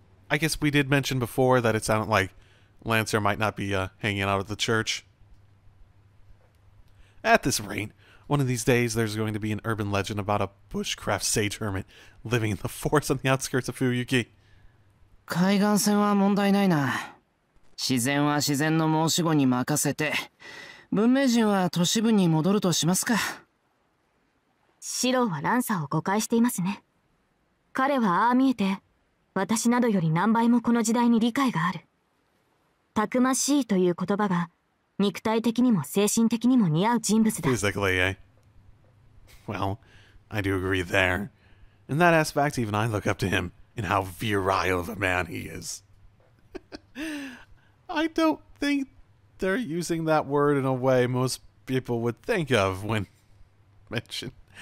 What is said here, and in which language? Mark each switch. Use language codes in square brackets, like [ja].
[en] I guess we did mention before that it sounded like Lancer might not be hanging out at the church. At this rate, one of these days there's going to be an urban legend about a bushcraft sage hermit living in the forest on the outskirts of Fuyuki. [ja] 海岸線は問題ないな。自然は自然の申し子に任せて、文明人は都市部に戻るとしますか。シローはランサーを誤解していますね。彼はああ見えて私などより何倍もこの時代に理解がある。たくましいという言葉が肉体的にも精神的にも似合う人物だ。 [en] Physically, eh? Well, I do agree there. In that aspect, even I look up to him in how virile of a man he is. I don't think they're using that word in a way most people would think of when mentioned.